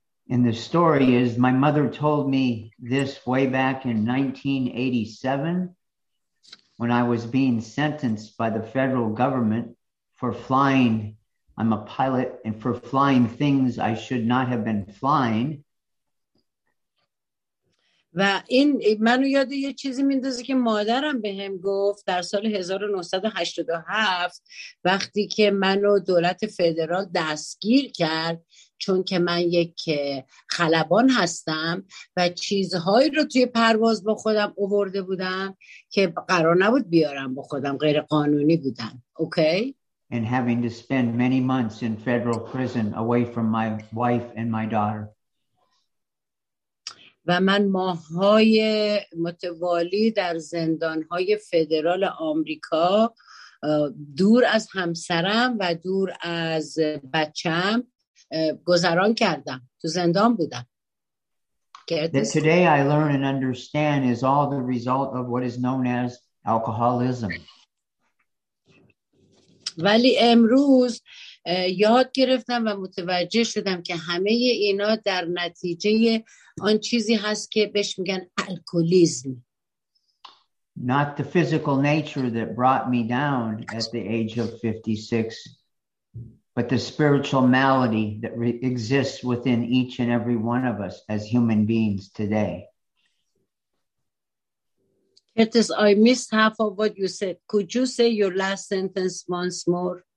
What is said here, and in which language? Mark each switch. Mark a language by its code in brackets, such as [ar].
[en] And the story is my mother told me this way back in 1987 when I was being sentenced by the federal government for flying. I'm a pilot, and for flying things I should not have been flying. [fa] و این منو یاد یه چیزی میندازه که مادرم بهم گفت در سال 1987 وقتی که منو دولت فدرال دستگیر کرد چون که من یک خلبان هستم و چیزهایی رو توی پرواز با خودم آورده بودم که قرار نبود بیارم با خودم غیر قانونی بودن. اوکی؟ [en] And having to spend many months in federal prison away from my wife and my daughter. [fa] و من ماه‌های متوالی در زندان‌های فدرال آمریکا دور از همسرم و دور از بچه‌ام گذران کردم، تو زندان بودم. [en] That today I learn and understand is all the result of what is known as alcoholism. [fa] ولی امروز یاد گرفتم و متوجه شدم که همه اینا در نتیجه آن چیزی هست که بهش میگن الکولیسم. [en] Not the physical nature that brought me down at the age of 56, but the spiritual malady that exists within each and every one of us as human beings today. Curtis, I missed half of what you said. Could you say your last sentence once more?